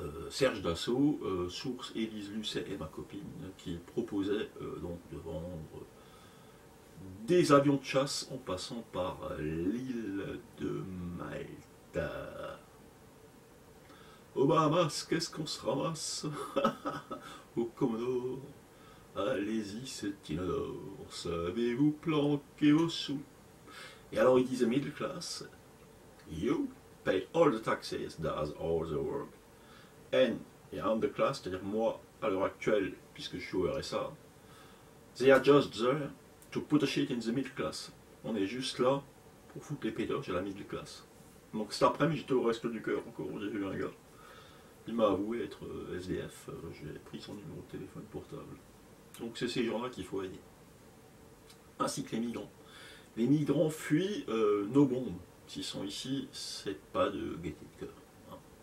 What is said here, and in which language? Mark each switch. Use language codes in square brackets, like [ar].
[fr] Serge Dassault, source Élise Lucet et ma copine, qui proposait donc de vendre des avions de chasse en passant par l'île de Malte. Au Bahamas, qu'est-ce qu'on se ramasse? Au Commodore, allez-y, c'est inodore, savez-vous planquer vos sous? Et alors il disait [en] middle class, you pay all the taxes, does all the work. And underclass, [fr] c'est-à-dire moi, à l'heure actuelle, puisque je suis au RSA, [en] they are just there. To put the shit in the middle class. [fr] On est juste là pour foutre les pédoches à la middle class. Donc cet après-midi, j'étais au Resto du Cœur encore, j'ai vu un gars. Il m'a avoué être SDF, j'ai pris son numéro de téléphone portable. Donc c'est ces gens-là qu'il faut aider. Ainsi que les migrants. Les migrants fuient nos bombes. S'ils sont ici, c'est pas de gaieté de cœur. Hein.